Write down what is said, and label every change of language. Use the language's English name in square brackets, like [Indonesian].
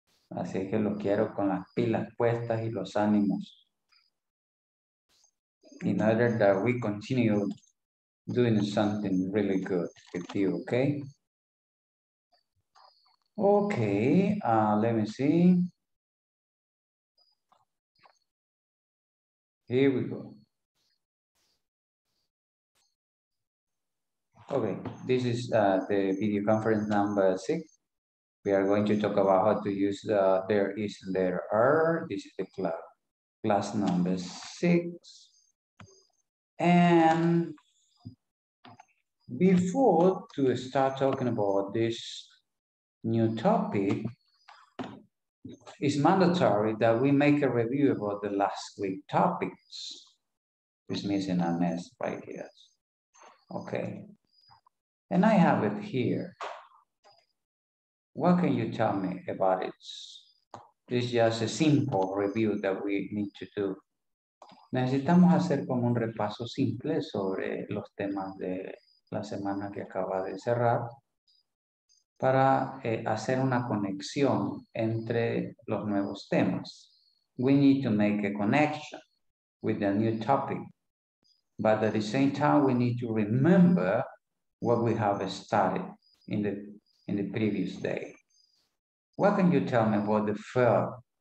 [Spanish] Así que los quiero con las pilas puestas y los ánimos. [English] In order that we continue doing something really good with you, ¿ok? Ok, let me see. Here we go. Okay, this is the video conference number 6. We are going to talk about how to use there is and there are. This is the class number 6. And before to start talking about this new topic, it's mandatory that we make a review about the last week topics. It's missing a mess right here. Okay. And I have it here. What can you tell me about it? This is just a simple review that we need to do. [Spanish] Necesitamos hacer como un repaso simple sobre los temas de la semana que acaba de cerrar. Para hacer una conexión entre los nuevos temas. [English] We need to make a connection with the new topic. But at the same time, we need to remember what we have studied in the previous day. What can you tell me about the verb?